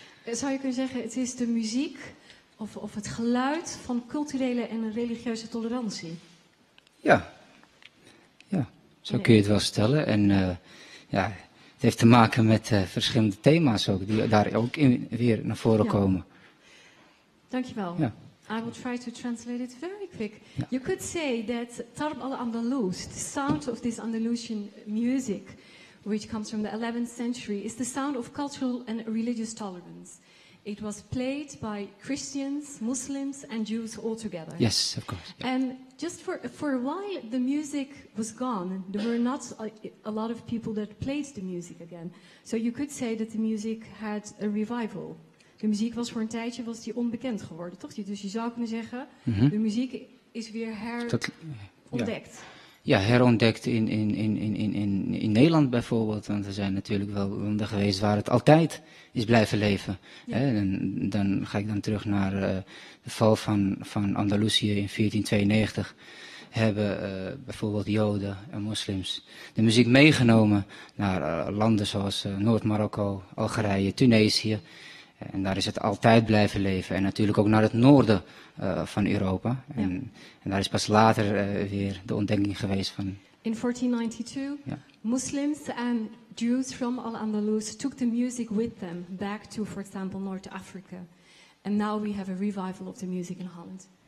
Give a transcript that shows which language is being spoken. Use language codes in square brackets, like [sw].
[nl] Zou je kunnen zeggen, het is de muziek of het geluid van culturele en religieuze tolerantie? Ja, kun je het wel stellen. En het heeft te maken met verschillende thema's ook, die daar ook in, weer naar voren komen. Dankjewel. Ja. [en] I will try to translate it very quick. Ja. You could say that Tarb al-Andalus, the sound of this Andalusian music, which comes from the 11th century, is the sound of cultural and religious tolerance. It was played by Christians, Muslims, and Jews all together. Yes, of course. Yeah. And just for a while, the music was gone. There were not a lot of people that played the music again. So you could say that the music had a revival. [nl] De muziek was voor een tijdje was die onbekend geworden, toch? Dus je zou kunnen zeggen, mm-hmm. De muziek is weer herontdekt. Ja, herontdekt in Nederland bijvoorbeeld. Want er zijn natuurlijk wel landen geweest waar het altijd is blijven leven. Ja. En dan ga ik dan terug naar de val van Andalusië in 1492. Hebben bijvoorbeeld Joden en moslims de muziek meegenomen naar landen zoals Noord-Marokko, Algerije, Tunesië. En daar is het altijd blijven leven. En natuurlijk ook naar het noorden van Europa. En daar is pas later weer de ontdekking geweest van... [en] In 1492, Muslims and Jews from Al-Andalus took the music with them back to, for example, North Africa. And now we have a revival of the music in Holland.